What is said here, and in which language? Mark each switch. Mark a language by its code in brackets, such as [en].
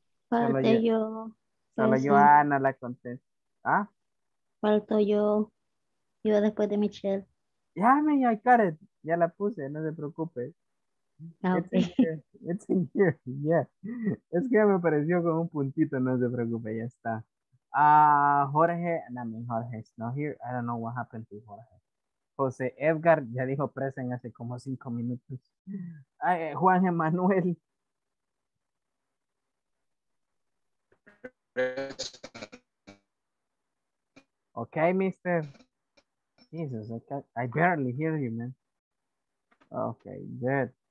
[es] Joana la contesta. ¿Ah? Falto yo. Yo después de Michelle. Ya, me [en] I got it. [es] Ya la puse, no se preocupe. [en] Okay. It's in here. It's in here. Yeah. [es] Es que me apareció con un puntito, no se preocupe, ya está. [en] Jorge, no, Jorge is not here. I don't know what happened to Jorge. [es] José Edgar ya dijo present hace como 5 minutos. Juan Emanuel. [en] Okay, mister. Jesus, I barely hear you, man. Okay, good.